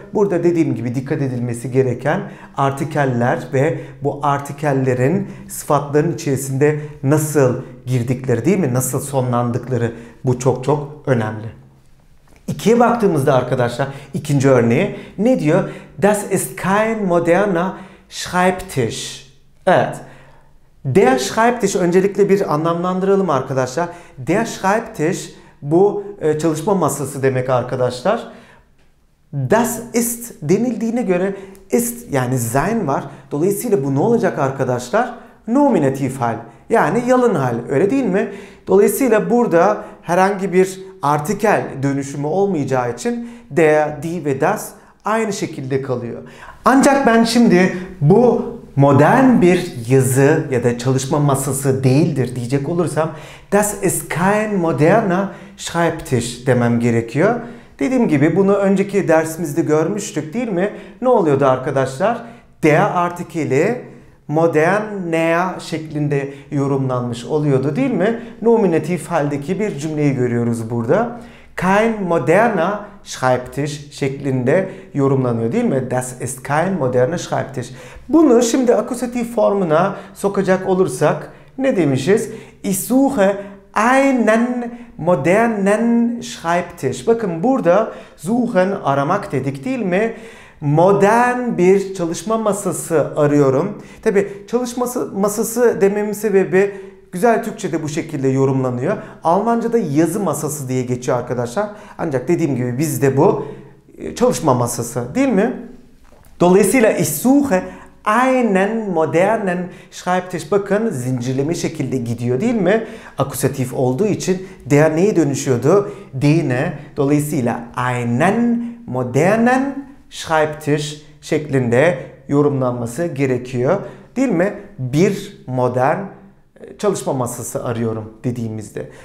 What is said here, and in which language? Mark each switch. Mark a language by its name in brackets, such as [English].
[Turkish] Burada dediğim gibi dikkat edilmesi gereken artikeller ve bu artikellerin sıfatların içerisinde nasıl girdikleri değil mi? Nasıl sonlandıkları, bu çok çok önemli. İkiye baktığımızda arkadaşlar ikinci örneği ne diyor? [German] Das ist kein moderner Schreibtisch. [Turkish] Evet. Der Schreibtisch, öncelikle bir anlamlandıralım arkadaşlar. Der Schreibtisch bu çalışma masası demek arkadaşlar. Das ist denildiğine göre ist yani sein var. Dolayısıyla bu ne olacak arkadaşlar? Nominativ hal. Yani yalın hal. Öyle değil mi? Dolayısıyla burada herhangi bir artikel dönüşümü olmayacağı için der, die ve das aynı şekilde kalıyor. Ancak ben şimdi bu modern bir yazı ya da çalışma masası değildir diyecek olursam [German] das ist kein moderner Schreibtisch [Turkish] demem gerekiyor. Dediğim gibi bunu önceki dersimizde görmüştük değil mi? Ne oluyordu arkadaşlar? Der artikeli moderner şeklinde yorumlanmış oluyordu değil mi? Nominatif haldeki bir cümleyi görüyoruz burada. [German] Kein moderner Schreibtisch [Turkish] şeklinde yorumlanıyor değil mi? [German] Das ist kein moderner Schreibtisch. [Turkish] Bunu şimdi akusatif formuna sokacak olursak ne demişiz? [German] Ich suche einen modernen Schreibtisch. [Turkish] Bakın burada suchen aramak dedik değil mi? Modern bir çalışma masası arıyorum. Tabii çalışma masası dememin sebebi güzel Türkçe'de bu şekilde yorumlanıyor. Almanca'da yazı masası diye geçiyor arkadaşlar. Ancak dediğim gibi bizde bu çalışma masası değil mi? [German] Dolayısıyla ich suche einen modernen Schreibtisch. [Turkish] Bakın zincirleme şekilde gidiyor değil mi? Akusatif olduğu için der neye dönüşüyordu? Die'ne. Dolayısıyla [German] einen modernen Schreibtisch [Turkish] şeklinde yorumlanması gerekiyor değil mi? Bir modern çalışma masası arıyorum dediğimizde.